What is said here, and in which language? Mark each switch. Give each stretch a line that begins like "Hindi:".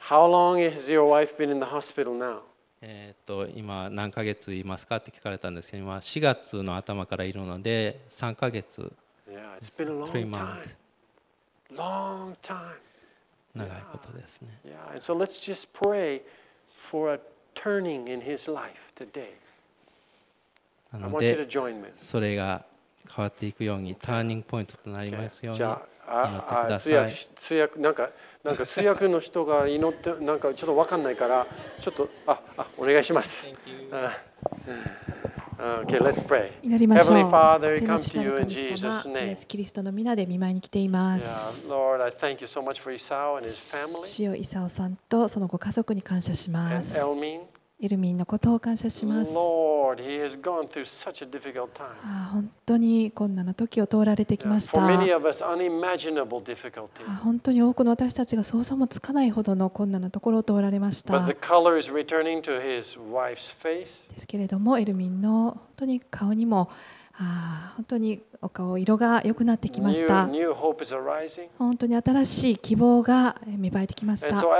English: How long has your wife been in the hospital now?
Japanese: 今何ヶ月いますかって聞かれたんですけど、今4月の頭からいるので3ヶ月。
English: Yeah, it's been a long time. Long time.
Japanese: 長いことですね。
English: Yeah, and so let's just pray for a turning in his life today. I want you to join me.
Japanese: それが変わっていくようにターニングポイントとなりますように。通訳の人が祈って、なんかちょっと分かんないから、ちょっとお願いします。
English: Thank you. OK, let's pray.
Japanese: 祈りましょう。
English: Heavenly Father, we come to you in Jesus' name.
Japanese: イエス・キリストの御名で御前に来ています。
English: Lord, I thank you so much for Isao and his family.
Japanese: 主よ、イサオさんとそのご家族に感謝します。
English: And Elmin.
Japanese: エルミンのことを感謝します。
English: Lord, he has gone through such a difficult time.
Japanese: 本当に困難な時を通られてきました。
English: For many of us, unimaginable difficulty.
Japanese: 本当に多くの私たちが想像もつかないほどの困難なところを通られました。
English: But the color is returning to his wife's face.
Japanese: ですけれども、エルミンの本当に顔にも本当にお顔色が良くなってきました。本当に新しい希望が芽生えてきました。